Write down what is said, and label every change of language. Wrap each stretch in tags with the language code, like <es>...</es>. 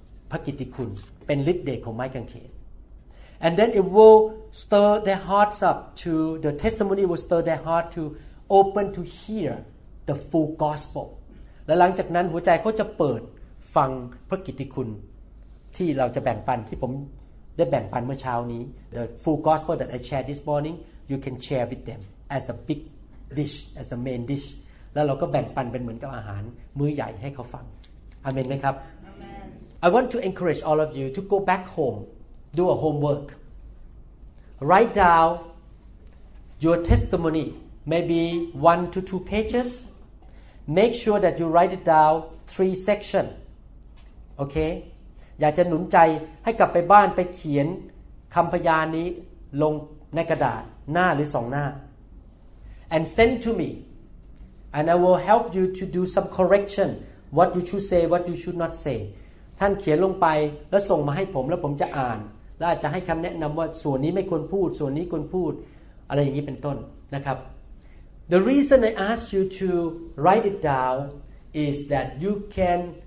<th>พระกิตติคุณเป็นฤทธิ์เดชของไม้กางเขน</th> <en>And then it will stir their hearts up to the testimony will stir their heart toopen to hear the full gospel</en> <th>และหลังจากนั้นหัวใจเขาจะเปิดฟังพระกิตติคุณที่เราจะแบ่งปันที่ผมได้แบ่งปันเมื่อเช้านี้</th> <en>the full gospel that I shared this morning you can share with them as a big dish as a main dish</en> <th>แล้วเราก็แบ่งปันเป็นเหมือนกับอาหารมื้อใหญ่ให้เขาฟังอาเมนไหมครับ</th> <en>Amen. I want to encourage all of you to go back home do a homework write down your testimonyMaybe 1 to 2 pages. Make sure that you write it down 3 sections. Okay?</en> <th>อยากจะหนุนใจให้กลับไปบ้านไปเขียนคำพยานนี้ลงในกระดาษหน้าหรือสองหน้า</th> <en>and send to me and I will help you to do some correction what you should say what you should not say</en> <th>ท่านเขียนลงไปแล้วส่งมาให้ผมแล้วผมจะอ่านและอาจจะให้คำแนะนำว่าส่วนนี้ไม่ควรพูดส่วนนี้ควรพูดอะไรอย่างนี้เป็นต้นนะครับ</th> <en>The reason I ask you to write it down is that you can</en>